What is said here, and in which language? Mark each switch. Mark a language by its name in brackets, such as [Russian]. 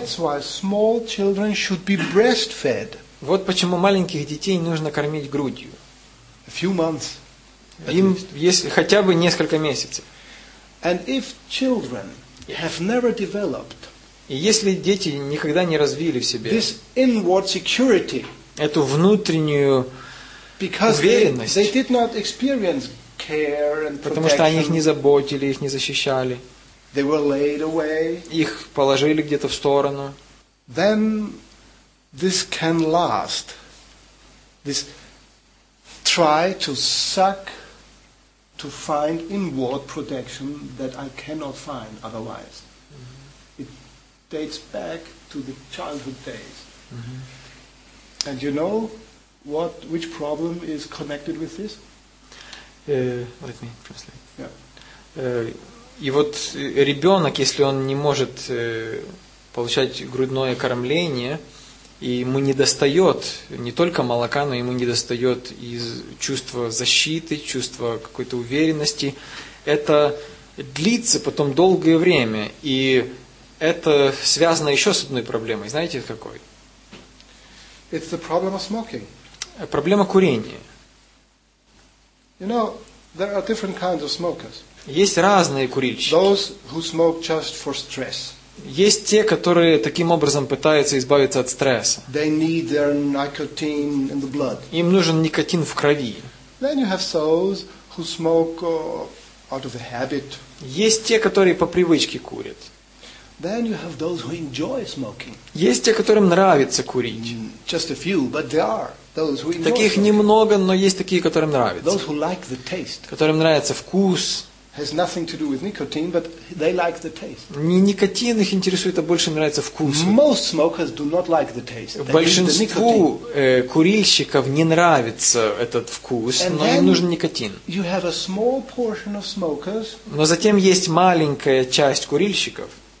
[English] That's why small children should be breastfed. [Russian] Вот почему маленьких детей нужно кормить грудью. [English] A few months. [Russian] Им если хотя бы несколько месяцев. [English] And if children have never developed. [Russian] И если дети никогда не развили в себе [English] this inward security, [Russian] эту внутреннюю [English] because [Russian] уверенность, [English] they did not experience care and [Russian] потому что они их не заботили, их не защищали, [English] they were laid away, [Russian] их положили где-то в сторону, [English] then this can last. This try to suck to find inward protection that I cannot find otherwise. Dates back to the childhood days. Mm-hmm. And you know what, which problem is connected with this? Let me translate. Yeah. [Russian] И вот ребенок, если он не может получать грудное кормление, и ему не достает не только молока, но ему не достает и чувство защиты, чувство какой-то уверенности, это длится потом долгое время, и это связано еще с одной проблемой. Знаете, какой? [English] It's the problem of smoking. [Russian] Проблема курения. [English] You know, there are different kinds of smokers. [Russian] Есть разные курильщики. [English] Those who smoke just for stress. [Russian] Есть те, которые таким образом пытаются избавиться от стресса. [English] They need their nicotine in the blood. [Russian] Им нужен никотин в крови. [English] Then you have those who smoke out of a habit. [Russian] Есть те, которые по привычке курят. [English] Then you have those who enjoy smoking. [Russian] Есть те, которым нравится курить. [English] Just a few, but there are those who enjoy. [Russian] Таких немного, но есть такие, которым нравится. [English] Those who like the taste. [Russian] Которым нравится вкус. [English] Has nothing to do with nicotine, but they like the taste. [Russian] Не никотин их интересует, а больше нравится вкус. [English] Most smokers do not like the taste. [Russian] Большинству курильщиков не нравится этот вкус, но им нужен никотин. [English] You have a small portion of smokers. [Russian] Но затем есть маленькая часть курильщиков.